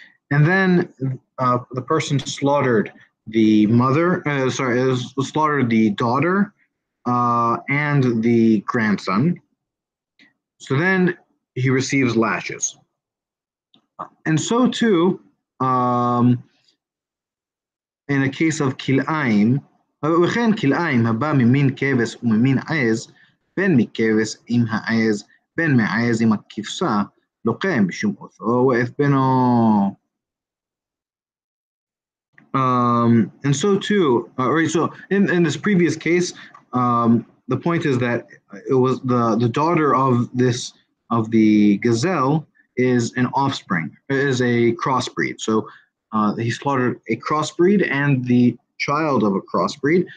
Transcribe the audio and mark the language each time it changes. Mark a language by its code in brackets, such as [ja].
[en] And then the person slaughtered the mother, slaughtered the daughter and the grandson. So then he receives lashes. And so too, in a case of kil'ayim, [he] וכן kil'ayim הבא ממין כבס וממין עז, בין מכבס עם העז, בין מהעז עם הכבשה, לוקם בשום אותו ואת בנו. [en] And so too, right, so in this previous case, the point is that it was the daughter of this, of the gazelle is an offspring, is a crossbreed. So he slaughtered a crossbreed and the child of a crossbreed.